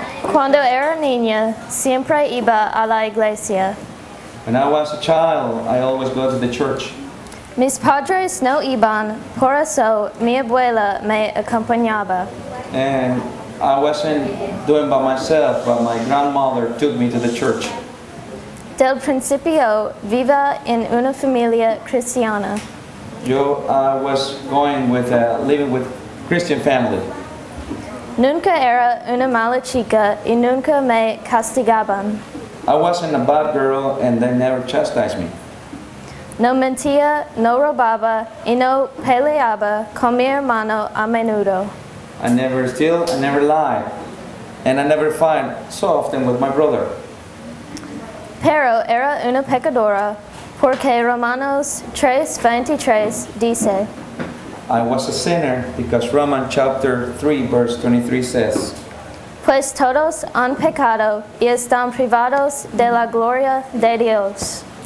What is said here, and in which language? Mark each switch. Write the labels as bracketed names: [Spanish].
[Spanish] Cuando era niña, siempre iba a la iglesia. [English] When I was a child, I always go to the church. [Spanish] Mis padres no iban, por eso mi abuela me acompañaba. [English] And I wasn't doing by myself, but my grandmother took me to the church. [Spanish] Del principio, viva en una familia cristiana. [English] I was living with Christian family. [Spanish] Nunca era una mala chica y nunca me castigaban. [English] I wasn't a bad girl and they never chastised me. [Spanish] No mentía, no robaba y no peleaba con mi hermano a menudo. [English] I never steal, I never lie, and I never fight so often with my brother. [Spanish] Pero era una pecadora porque Romanos 3:23 dice. [English] I was a sinner because Romans chapter 3 verse 23 says. [Spanish] Pues todos han pecado y están privados de la gloria de Dios.